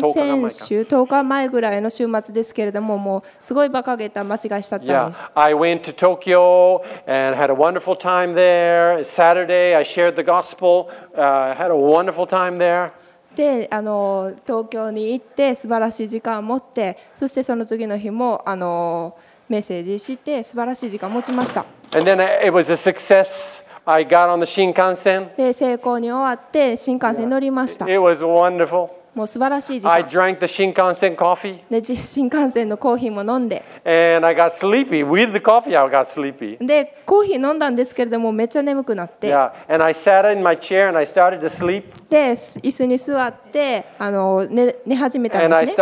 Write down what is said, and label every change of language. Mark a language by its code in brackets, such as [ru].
[ja] 10日前ぐらいの週末ですけれども、もうすごい馬鹿げた間違いしたんです。 [en] Yeah, I went to Tokyo and had a wonderful time there. Saturday, I shared the gospel. Had a wonderful time there. [ja] で東京に行って素晴らしい時間を持って、そしてその次の日もメッセージして素晴らしい時間を持ちました。 [en] And then it was a success. I got on the Shinkansen. [ja] で成功に終わって新幹線に乗りました。 [en] It was wonderful. [ja] もう素晴らしい時間。 [en] I drank the Shinkansen coffee. [ja] で新幹線のコーヒーも飲んで。 [en] And I got sleepy. With the coffee, I got sleepy. [ja] でコーヒー飲んだんですけれどもめっちゃ眠くなって。 [en] Yeah. And I sat in my chair and I started to sleep. [ja] で椅子に座って寝始めたんですね。